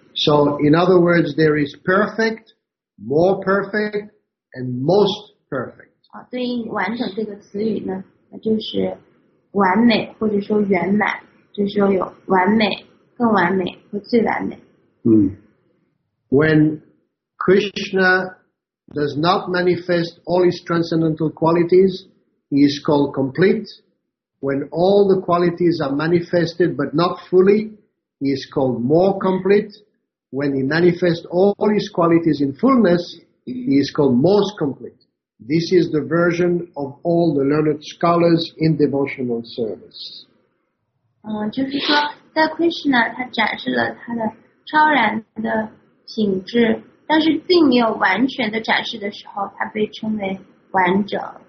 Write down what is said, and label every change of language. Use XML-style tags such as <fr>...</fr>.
<en>So in other words, there is perfect, more perfect, and most perfect.</en> <zh>对应完整这个词语呢，那就是完美或者说圆满，就是说有完美、更完美和最完美。</zh> <en>When Krishna does not manifest all his transcendental qualities, he is called complete. When all the qualities are manifested but not fully, he is called more complete. When he manifests all his qualities in fullness, he is called most complete. This is the version of all the learned scholars in devotional service.</en> <zh>就是说，在 Krishna 他展示了他的超然的品质，但是并没有完全的展示的时候，他被称为完整。</zh>